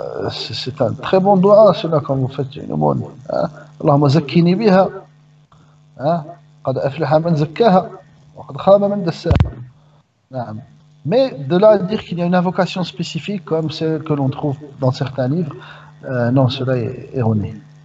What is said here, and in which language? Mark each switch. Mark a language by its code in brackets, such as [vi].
[fr] C'est un très bon doigt, cela, quand vous faites une aumône. Hein? [ar] Allahumma zakkini biha. Hein? قد أفلح من زكاها وقد خاب من دساها. نعم. [fr] Mais de là à dire qu'il y a une invocation spécifique comme celle que l'on trouve dans certains livres, non, cela est erroné.